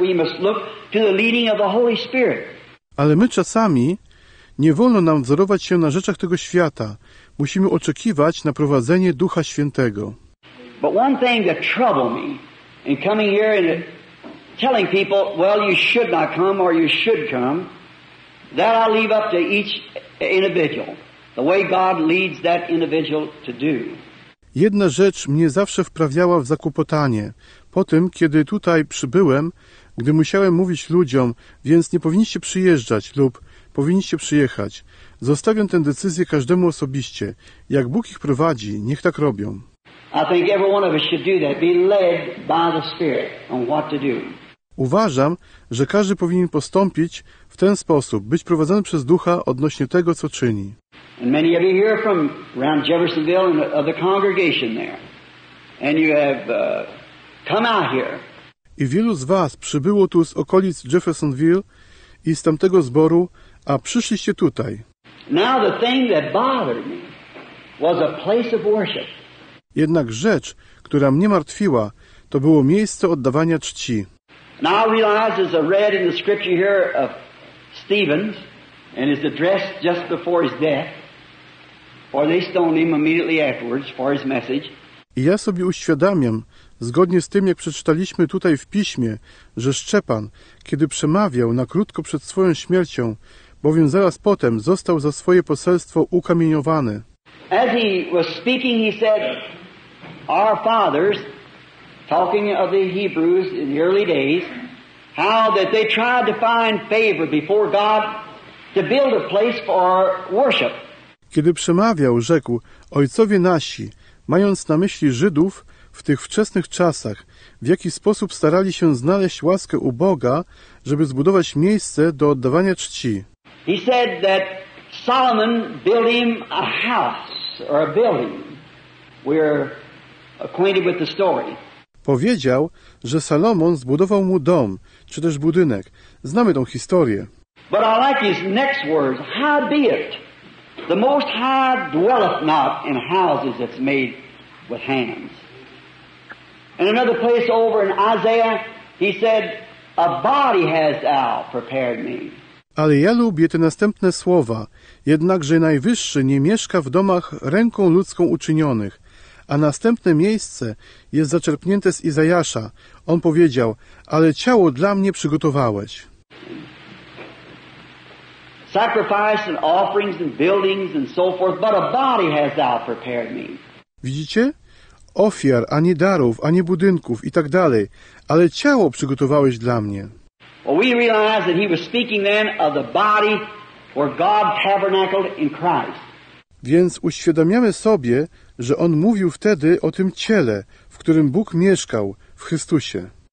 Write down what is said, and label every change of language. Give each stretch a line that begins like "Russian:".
English: We must look to the leading of the Holy Spirit.
Polish: Ale my czasami nie wolno nam wzorować się na rzeczach tego świata. Musimy oczekiwać na prowadzenie Ducha Świętego.
English: But one thing that troubled me in coming here and telling people, well, you should not come or you should come, that I leave up to each individual, the way God leads that individual to do.
Polish: Jedna rzecz mnie zawsze wprawiała w zakłopotanie. Po tym, kiedy tutaj przybyłem, gdy musiałem mówić ludziom, więc nie powinniście przyjeżdżać lub powinniście przyjechać, zostawiam tę decyzję każdemu osobiście. Jak Bóg ich prowadzi, niech tak robią.
English: I think every one of us should do that, be led by the Spirit on what to do.
Polish: Uważam, że każdy powinien postąpić w ten sposób, być prowadzony przez Ducha odnośnie tego, co czyni.
English: And many of you hear from around Jeffersonville and the congregation there. And you have come out here.
Polish: I wielu z was przybyło tu z okolic Jeffersonville i z tamtego zboru, a przyszliście tutaj.
English: Now the thing that bothered me was a place of worship.
Polish: Jednak rzecz, która mnie martwiła, to było miejsce oddawania czci.
English: Now realize as I read in the scripture here of Stephen's and his address just before his death, for they stoned him immediately afterwards for his message.
Polish: I ja sobie uświadamiam, zgodnie z tym, jak przeczytaliśmy tutaj w piśmie, że Szczepan, kiedy przemawiał na krótko przed swoją śmiercią, bowiem zaraz potem został za swoje poselstwo ukamieniowany.
English: As he was speaking, he said, our fathers, talking of the Hebrews in the early days, how that they tried to find favor before God to build a place for worship.
Polish: Kiedy przemawiał, rzekł, ojcowie nasi, mając na myśli Żydów w tych wczesnych czasach, w jaki sposób starali się znaleźć łaskę u Boga, żeby zbudować miejsce do oddawania czci.
English: He said that Solomon built him a house or a building. We're acquainted with the story.
Polish: Powiedział, że Salomon zbudował mu dom, czy też budynek. Znamy tą historię.
English: But I like his next words. Howbeit, the Most High dwelleth not in houses that's made with hands. In another place over in Isaiah, he said, a body hast thou prepared me.
Polish: Ale ja lubię te następne słowa. Jednakże Najwyższy nie mieszka w domach ręką ludzką uczynionych. A następne miejsce jest zaczerpnięte z Izajasza. On powiedział, ale ciało dla mnie przygotowałeś.
English: Sacrifice and offerings and buildings and so forth, but a body has thou prepared me.
Polish: Widzicie? Ofiar, ani darów, ani budynków i tak dalej, ale ciało przygotowałeś dla mnie.
English: Well, we realize that he was speaking then of the body where God tabernacled in Christ.
Polish: Więc uświadamiamy sobie, że on mówił wtedy o tym ciele, w którym Bóg mieszkał, w Chrystusie.